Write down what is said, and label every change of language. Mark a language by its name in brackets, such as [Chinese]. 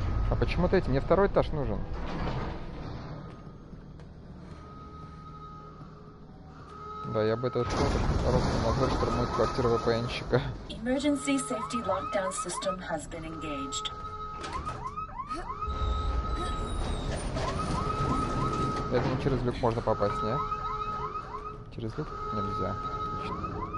[Russian] А почему третий? Мне второй этаж нужен. Да, я бы это просто назвал, что мой квартира ВПНщика. [English] Emergency safety lockdown system has been engaged. [Russian] Я думаю, через люк можно попасть, не? Через люк нельзя. Отлично.